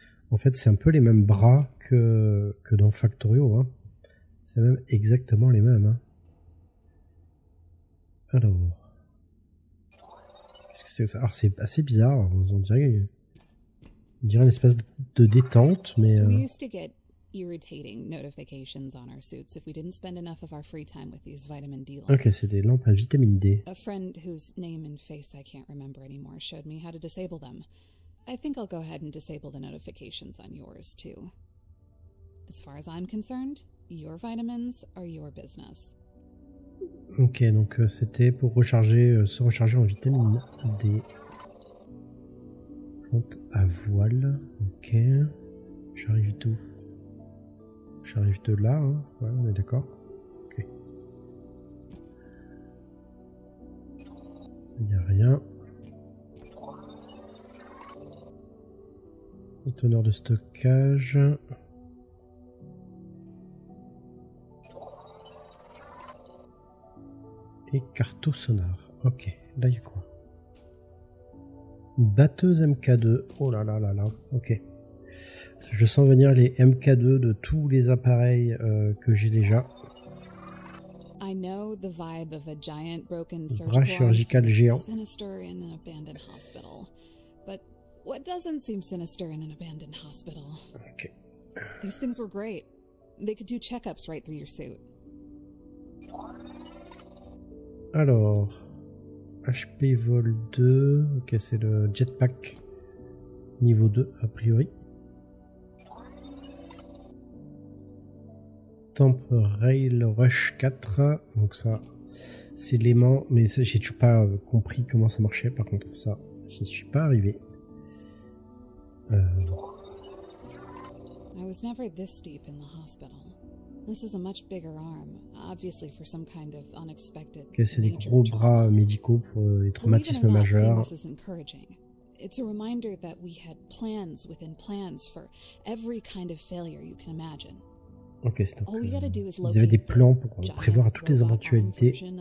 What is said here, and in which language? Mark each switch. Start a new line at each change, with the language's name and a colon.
French: En fait, c'est un peu les mêmes bras que dans Factorio. Hein. C'est même exactement les mêmes. Hein. Alors. Qu'est-ce que c'est que ça? Alors, c'est assez bizarre. On dirait une espèce de détente, mais.
English: We used to get irritating notifications on our suits if we didn't spend enough of our free time with these vitamin D lamps.
French: Ok, c'est des lampes à vitamine D.
English: A friend whose name and face I can't remember anymore showed me how to disable them. I think I'll go ahead and disable the notifications on yours too. As far as I'm concerned, your vitamins are your business.
French: Ok, donc c'était pour se recharger en vitamine D. Plante à voile. Ok. J'arrive d'où? J'arrive de là, hein. Ouais, on est d'accord. Ok. Il n'y a rien. Conteneur de stockage. Et carto sonar. Ok, là il y a quoi? Batteuse MK2. Oh là là là là. Ok. Je sens venir les MK2 de tous les appareils que j'ai déjà.
English: I know the vibe of a giant broken surgical géant. Sinister in an abandoned hospital. But what doesn't seem sinister in an abandoned hospital? Okay. These things were great. They could do checkups right through your suit.
French: Alors, HP vol 2, OK, c'est le jetpack niveau 2 a priori. Temp Rail Rush 4, donc ça c'est l'aimant, mais ça, j'ai toujours pas compris comment ça marchait. Par contre, ça, j'y suis pas arrivé.
English: I was never this deep in the hospital. This is a much bigger arm, obviously for some kind of unexpected.
French: Okay, c'est des gros bras médicaux pour les traumatismes majeurs.
English: It's a reminder that we had plans within plans for every kind of failure you can imagine.
French: Ok, c'est donc vous avez des plans pour prévoir à toutes les éventualités.